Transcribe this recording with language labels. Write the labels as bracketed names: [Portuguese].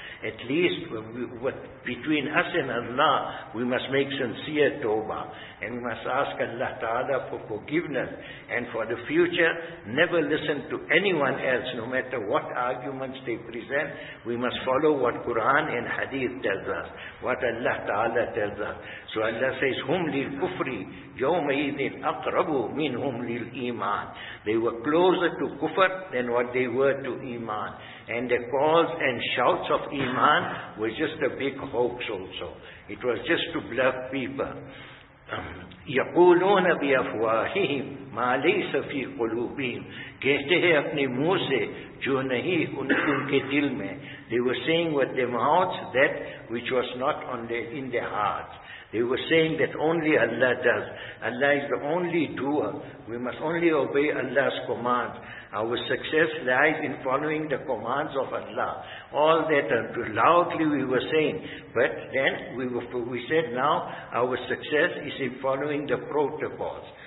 [English] At least between us and Allah, we must make sincere tawbah. And we must ask Allah Ta'ala for forgiveness. And for the future, never listen to anyone else, no matter what arguments they present. We must follow what Quran and Hadith tells us, what Allah Ta'ala tells us. So Allah says, [Arabic] هُمْ لِلْكُفْرِ يَوْمَئِذٍ أَقْرَبُ مِنْهُمْ لِلْإِيمَانِ. [English] They were closer to kufr than what they were to iman. And the calls and shouts of iman were just a big hoax also. It was just to bluff people. [Arabic] يَقُولُونَ بِأَفْوَاهِهِمْ مَا لَيْسَ فِي قُلُوبِهِمْ. [Urdu] کہتے ہیں اپنے منہ سے جو نہیں ان کے دل میں. [English] They were saying with their mouths that which was not in their hearts. They were saying that only Allah does. Allah is the only doer. We must only obey Allah's commands. Our success lies in following the commands of Allah. All that loudly we were saying. But then we said now our success is in following the protocols.